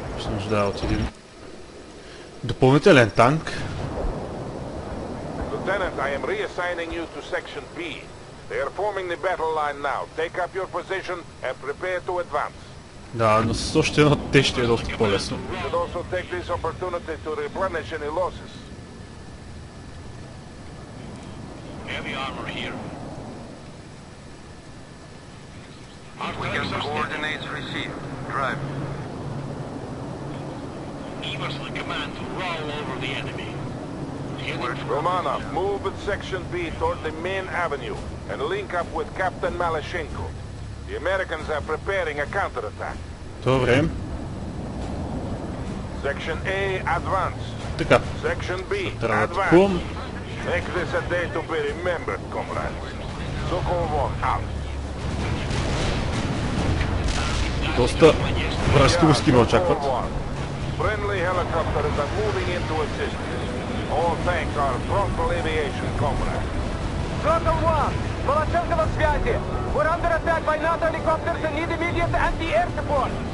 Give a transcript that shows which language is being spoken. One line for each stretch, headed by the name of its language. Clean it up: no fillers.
Bulgarian: Нуждае от един допълнителен танк.
English: Lieutenant, I am reassigning you to Section B. They are forming the battle line now. Take up your position and prepare to advance.
Bulgarian: Да, но с още едно те ще е доста по-лесно.
English: You should also take this opportunity to replenish any losses. Heavy armor here. We get coordinates received. Drive. Command to roll over the enemy. Romana, move with Section B toward the main avenue and link up with Captain Malashenko. The Americans are preparing a counterattack.
Bulgarian: Добре.
English: Section A, advance. Така. Section B, advance. Make this a day to be remembered, comrades. Sokol 1, out.
Bulgarian: Доста връзки ме очакват.
English: Friendly helicopters are moving in to assist you. All thanks our frontal aviation comrades. Frontal 1, Malashenko on
Russian: связи.
English: We're under attack by NATO helicopters and need immediate anti-air support.